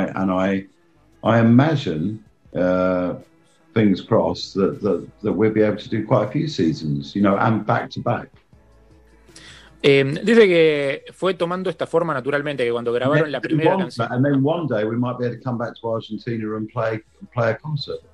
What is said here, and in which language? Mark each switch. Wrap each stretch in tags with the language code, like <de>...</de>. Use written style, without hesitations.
<en>And I imagine, fingers crossed, that we'll be able to do quite a few seasons, you know, and back to back.</en> <es>Dice que fue tomando esta forma naturalmente, que cuando grabaron la primera canción.</es> <en>And then one day we might be able to come back to Argentina and play a concert.</en>